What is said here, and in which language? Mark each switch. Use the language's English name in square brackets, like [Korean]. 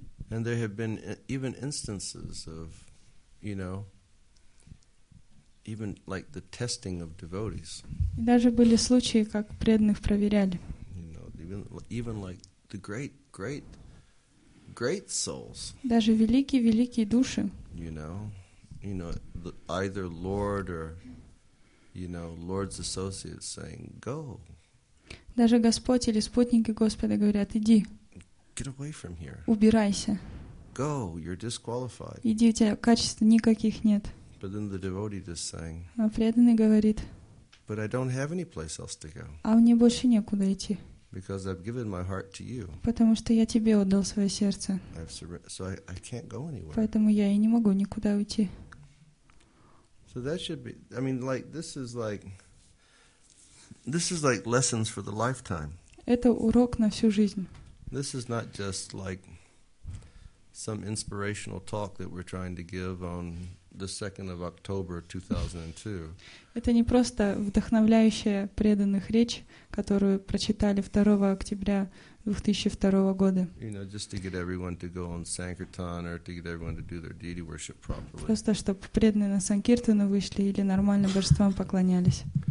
[English] And there have been even instances of, you know, even like the testing of devotees. [Russian] Даже были случаи, как преданных проверяли. [English] You know, even like the great, great, great souls. [Russian] Даже великие души. [English] You know, either Lord or, you know, Lord's associates saying, go. [Russian] Даже Господь или спутники Господа говорят, иди. [English] Get away from here. [Russian] Убирайся. [English] Go, you're disqualified. [Russian] Иди, у тебя качеств никаких нет. [English] But then the devotee just saying. [Russian] А преданный говорит. [English] But I don't have any place else to go. [Russian] А мне больше некуда идти. [English] Because I've given my heart to you. [Russian] Потому что я тебе отдал свое сердце. [English] So I can't go anywhere. [Russian] Поэтому я и не могу никуда уйти. [English] So that should be. I mean, like this is like lessons for the lifetime. [Russian] Это урок на всю жизнь. [English] This is not just like some inspirational talk that we're trying to give on the 2nd of October 2002. [Russian] Это не просто вдохновляющая преданных речь, которую прочитали 2 октября 2002 года. [English] You know, just to get everyone to go on Sankirtan or to get everyone to do their deity worship properly. [Russian] Просто чтобы преданные на Санкиртану вышли или нормально божествам поклонялись.